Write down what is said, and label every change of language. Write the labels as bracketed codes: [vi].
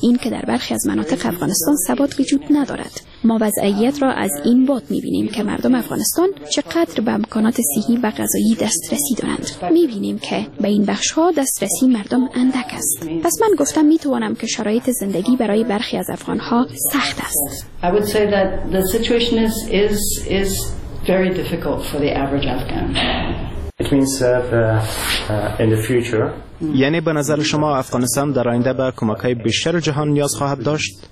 [fa] این که در برخی از مناطق افغانستان ثبات وجود ندارد. ما وضعیت را از این باد می‌بینیم که مردم افغانستان چقدر به امکانات صحی و غذایی دسترسی دارند. می‌بینیم که به این بخش‌ها دسترسی مردم اندک است. پس من گفتم می‌توانم که شرایط زندگی برای برخی از افغان‌ها سخت است. [en] I would say that the situation is very difficult for the average Afghan. It means in the future. [fa] یعنی به نظر شما افغانستان در آینده به کمک‌های بیشتر جهان نیاز خواهد داشت؟